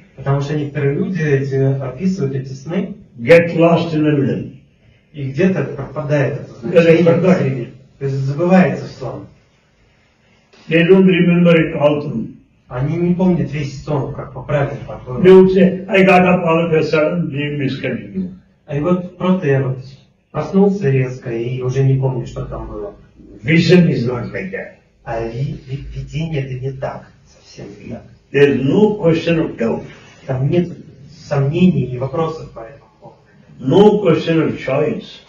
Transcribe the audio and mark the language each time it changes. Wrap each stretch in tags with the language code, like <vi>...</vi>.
<ru>Потому что некоторые люди описывают эти сны.</ru> <en>Get lost in the middle.</en> <ru>И где-то пропадает это значение. То есть забывается сон.</ru> <en>They don't remember it all through.</en> <ru>Они не помнят весь сон, как по правилам.</ru> <en>They would say, I got up all of a sudden, dream is coming.</en> <ru>И вот просто я вот проснулся резко и уже не помню, что там было.</ru> <en>Vision is not like that.</en> <ru>А видение это не так, совсем не так.</ru> <en>There's no question of doubt.</en> <ru>Там нет сомнений и вопросов по этому.</ru> <en>No question of choice.</en>